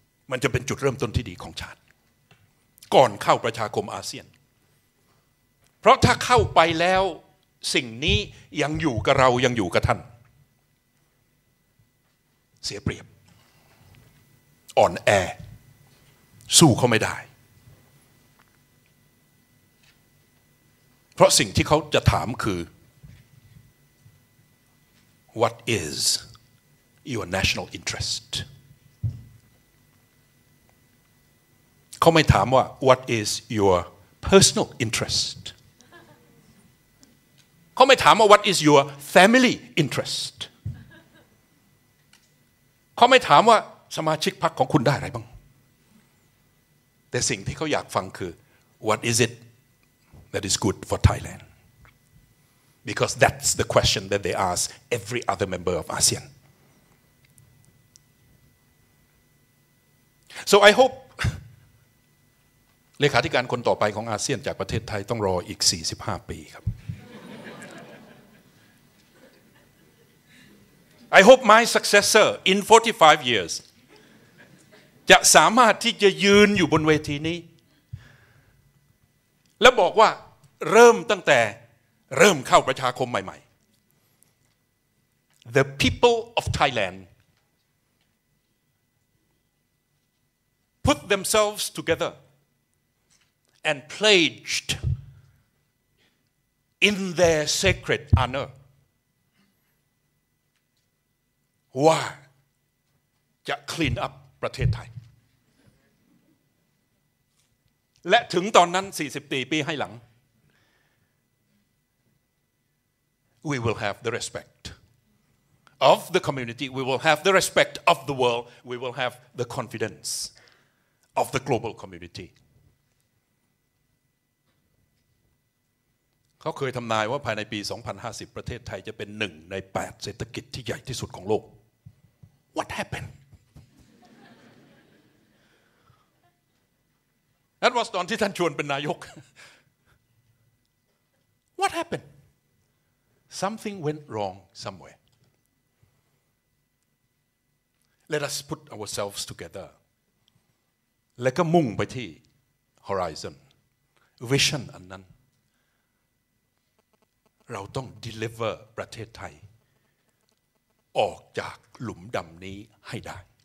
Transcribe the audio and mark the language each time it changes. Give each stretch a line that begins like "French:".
Thai: มันจะเป็นจุดเริ่มต้นที่ดีของชาติก่อนเข้าประชาคมอาเซียนเพราะถ้าเข้าไปแล้วสิ่งนี้ยังอยู่กับเรายังอยู่กับท่านเสียเปรียบอ่อนแอสู้เขาไม่ได้เพราะสิ่งที่เขาจะถามคือ
English: What is your national interest?
Thai: เขาไม่ถามว่า
English: What is your personal interest?
Thai: เขาไม่ถามว่า
English: What is your family interest?
Thai: เขาไม่ถามว่าสมาชิกพรรคของคุณได้อะไรบ้างแต่สิ่งที่เขาอยากฟังคือ
English: What is it that is good for Thailand? Because that's the question that they ask every other member of ASEAN. So I hope
Thai: เลขาธิการคนต่อไปของอาเซียนจากประเทศไทยต้องรออีก45ปีครับ
English: I hope my successor in 45 years
Thai: จะสามารถที่จะยืนอยู่บนเวทีนี้และบอกว่าเริ่มตั้งแต่เริ่มเข้าประชาคมใหม่ๆ
English: The people of Thailand put themselves together and pledged in their sacred honor
Thai: ว่าจะ
English: clean up
Thai: ประเทศไทยและถึงตอนนั้น40ปีให้หลัง
English: We will have the respect of the community. We will have the respect of the world. We will have the confidence of the global community.
Thai: เขาเคยทำนายว่าภายในปี2050ประเทศไทยจะเป็นหนึ่งใน8เศรษฐกิจที่ใหญ่ที่สุดของโลก
English: What happened? That was
Thai: ตอนที่ท่านชวนเป็นนายก
English: What happened? Something went wrong somewhere. Let us put ourselves together.
Thai: และก็มุ่งไปที่ horizon, vision อันนั้นเราต้อง deliver ประเทศไทยออกจากหลุมดำนี้ให้ได้